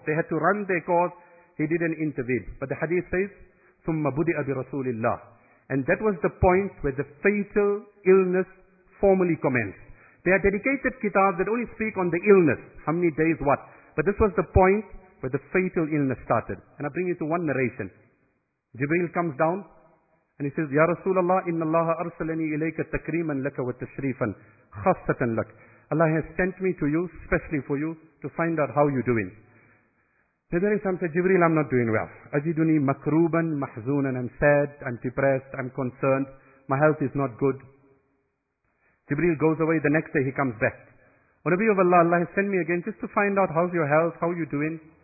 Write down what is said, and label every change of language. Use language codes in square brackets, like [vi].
[en] They had to run their course. He didn't intervene. But the hadith says, [ar] ثُمَّ بُدِئَ بِرَسُولِ اللَّهِ. [en] And that was the point where the fatal illness formally commenced. There are dedicated kitabs that only speak on the illness. How many days, what? But this was the point where the fatal illness started. And I bring you to one narration. Jibreel comes down and he says, [ar] يَا رَسُولَ اللَّهِ إِنَّ اللَّهَ أَرْسَلَنِي إِلَيْكَ تَكْرِيمًا لَكَ وَتَشْرِيفًا خَصَّةً لَكَ. [en] Allah has sent me to you, specially for you, to find out how you're doing. Nabi alayhi salam said, Jibreel, I'm not doing well. [ar] Ajiduni makruban, mahzoonan, [en] I'm sad, I'm depressed, I'm concerned, my health is not good. Jibreel goes away, the next day he comes back. O Nabi of Allah, Allah has sent me again just to find out how's your health, how you doing.